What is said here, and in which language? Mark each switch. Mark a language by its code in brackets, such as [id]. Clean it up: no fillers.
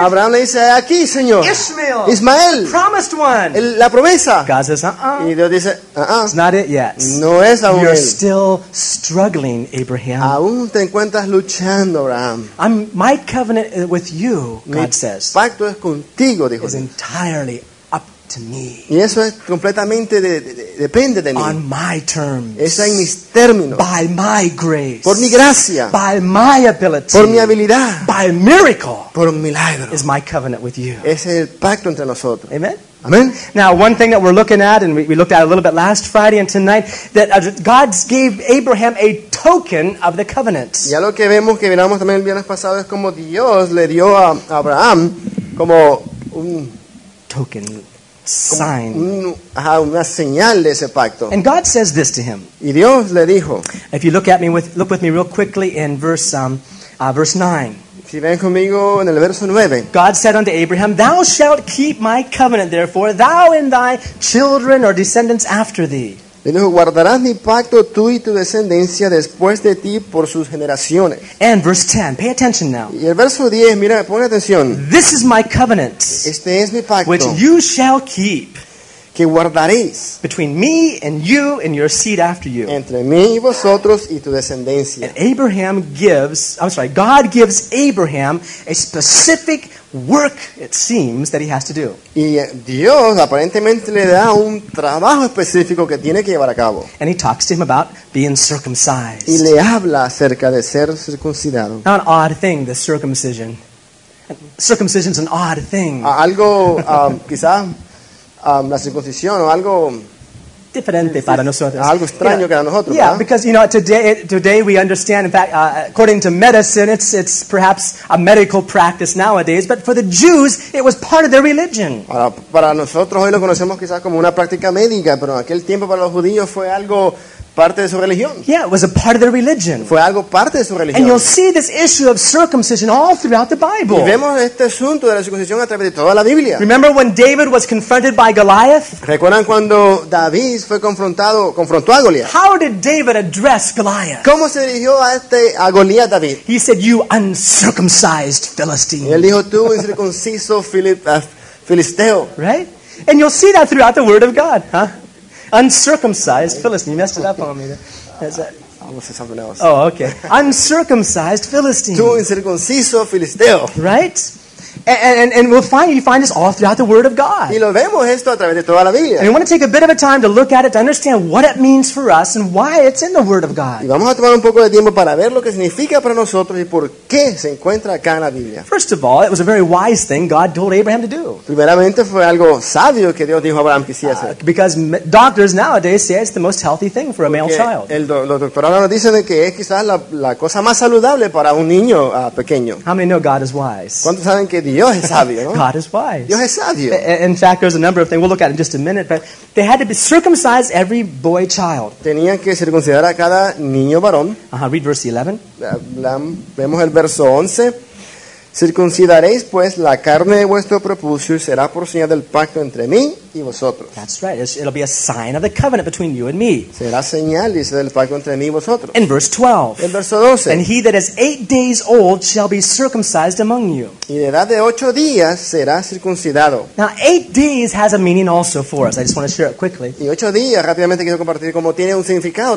[es] Abraham le dice, aquí, Señor. [en] Ishmael. [es] Ismael, [en] promised one. [es] La promesa. [en] God says, uh-uh. [es] Y Dios dice, uh-uh. [en] It's not it yet. [es] No es aún. [en] You're [es] él. [en] Still struggling, Abraham. [es] Aún te encuentras luchando, Abraham. [en] My covenant with you, God says. [es] Mi pacto es contigo, dijo. [en] Is entirely up to me. [es] Y eso es completamente depende de mí. [en] On my terms. [es] Es en mis términos. [en] By my grace. [es] Por mi gracia. [en] By my ability. [es] Por mi habilidad. [en] By miracle. [es] Por un milagro. [en] Is my covenant with you. [es] Es el pacto entre nosotros. [en] Amen. [es] Amen. [en] Now, one thing that we're looking at, and we looked at a little bit last Friday and tonight, that God gave Abraham a token of the covenant. [es] Ya lo que vemos que miramos también el viernes pasado es como Dios le dio a Abraham como un [en] token. Sign. [es] Una señal de ese pacto. [en] And God says this to him. [es] Y Dios le dijo. [en] If you look at me look with me real quickly in verse 9. [es] Si ven conmigo en el verso 9. [en] God said unto Abraham, thou shalt keep my covenant, therefore thou and thy children or descendants after thee. [es] Le dijo, guardarás mi pacto tú y tu descendencia después de ti por sus generaciones. [en] And verse 10, pay attention now. [es] Y el verso 10, mira, pon atención. [en] This is my covenant. [es] Este es mi pacto. [en] Which you shall keep. [es] Que guardaréis. [en] Between me and you and your seed after you. [es] Entre mí y vosotros y tu descendencia. [en] And Abraham gives, I'm sorry, God gives Abraham a specific work, it seems, that he has to do. [es] Y Dios aparentemente le da un trabajo específico que tiene que llevar a cabo. [en] And he talks to him about being circumcised. [es] Y le habla acerca de ser circuncidado. [en] Not an odd thing, the circumcision. Circumcision is an odd thing. [es] Algo, quizá, la circuncisión o algo diferente para nosotros. Algo extraño para nosotros. [en] Yeah, because you know today we understand. In fact, according to medicine, it's perhaps a medical practice nowadays. But for the Jews, it was part of their religion. [es] Ahora, para nosotros hoy lo conocemos quizás como una práctica médica, pero en aquel tiempo para los judíos fue algo parte de su religión. [en] Yeah, it was a part of their religion. [es] Fue algo parte de su religión. [en] And you'll see this issue of circumcision all throughout the Bible. [es] Y vemos este asunto de la circuncisión a través de toda la Biblia. [en] Remember when David was confronted by Goliath? [es] ¿Recuerdan cuando David fue confrontó a Goliath? [en] How did David address Goliath? [es] ¿Cómo se dirigió a Goliath David? [en] He said, "You uncircumcised Philistine." [es] Y él dijo, "Tú incircunciso filisteo." [en] Right? And you'll see that throughout the Word of God, huh? Uncircumcised Philistine. You messed it up on me. I'll say something else. Oh, okay. Uncircumcised Philistine. [es] Tu incircunciso filisteo. [en] Right? And we'll find you find this all throughout the Word of God. [es] Y lo vemos esto a través de toda la Biblia. [en] And we want to take a bit of a time to look at it to understand what it means for us and why it's in the Word of God. [es] Y vamos a tomar un poco de tiempo para ver lo que significa para nosotros y por qué se encuentra acá en la Biblia. [en] First of all, it was a very wise thing God told Abraham to do. [es] Primeramente fue algo sabio que Dios dijo a Abraham que hiciese. [en] Because doctors nowadays say it's the most healthy thing for a male child. [es] Los doctores nos dicen que es quizás la cosa más saludable para un niño pequeño. [en] How many know God is wise? [es] ¿Cuántos saben que Dios es sabio, ¿no? [en] God is wise. [es] Dios es sabio. [en] In fact, there's a number of things we'll look at in just a minute, but they had to be circumcised every boy child. [es] Tenían que circuncidar a cada niño varón. [en] Read verse 11. [es] Vemos el verso 11. Circuncidaréis pues la carne de vuestro prepucio y será por señal del pacto entre mí y vosotros. [en] That's right. It'll be a sign of the covenant between you and me. [es] Será señal, dice, del pacto entre mí y vosotros. [en] In verse 12. [es] El verso 12. [en] And he that is 8 days old shall be circumcised among you. [es] Y de edad de 8 días será circuncidado. [en] Now 8 days has a meaning also for us. I just want to share it quickly. [es] Y 8 días rápidamente quiero compartir cómo tiene un significado